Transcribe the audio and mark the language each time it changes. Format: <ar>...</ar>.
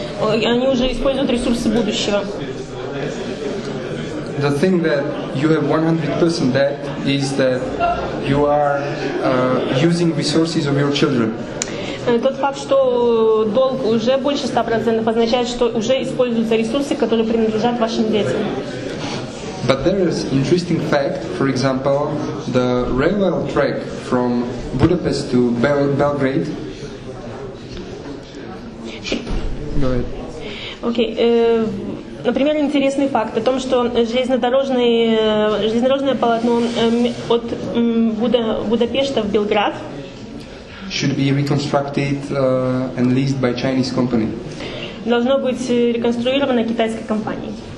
<ru>Они уже используют ресурсы будущего.</ru> <en>The thing that you have 100% debt is that you are using resources of your children.</en> <ru>Тот факт, что долг уже больше 100%, означает, что уже используются ресурсы, которые принадлежат вашим детям.</ru> <en>But there is interesting fact, for example, the railway track from Budapest to Belgrade.</en> <ru>Окей. Например, интересный факт о том, что железнодорожное полотно от Будапешта в Белград</ru> <en>should be reconstructed and leased by Chinese company.</en> <ru>Должно быть реконструировано китайской компанией.</ru>